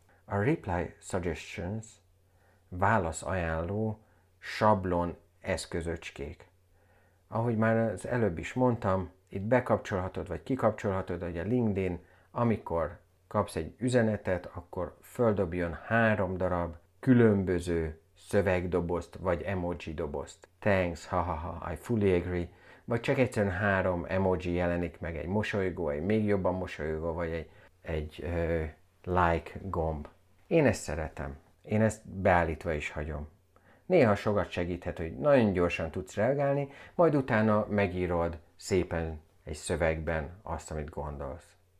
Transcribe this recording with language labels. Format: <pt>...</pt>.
<hu>A Reply Suggestions, válasz ajánló, sablon eszközöcskék. Ahogy már az előbb is mondtam, itt bekapcsolhatod, vagy kikapcsolhatod, hogy a LinkedIn, amikor kapsz egy üzenetet, akkor földobjon 3 darab különböző szövegdobozt, vagy emoji dobozt.</hu> <en>Thanks, ha-ha-ha, I fully agree.</en> <hu>Vagy csak egyszerűen 3 emoji jelenik meg, egy mosolygó, egy még jobban mosolygó, vagy egy like gomb. Én ezt szeretem. Én ezt beállítva is hagyom. Néha sokat segíthet, hogy nagyon gyorsan tudsz reagálni, majd utána megírod szépen egy szövegben azt, amit gondolsz.</hu>